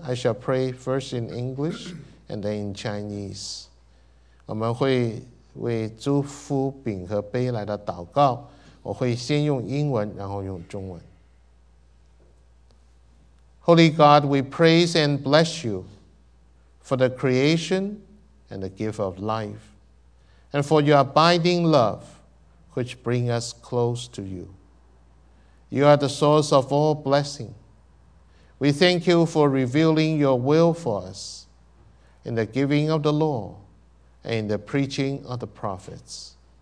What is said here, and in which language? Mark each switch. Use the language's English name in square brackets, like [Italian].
[English] I shall pray first in English and then in Chinese. [Chinese] 我们会为祝福饼和杯来的祷告。我会先用英文，然后用中文。 [English] Holy God, we praise and bless you for the creation and the gift of life, and for your abiding love, which brings us close to you. You are the source of all blessing. We thank you for revealing your will for us in the giving of the law and in the preaching of the prophets.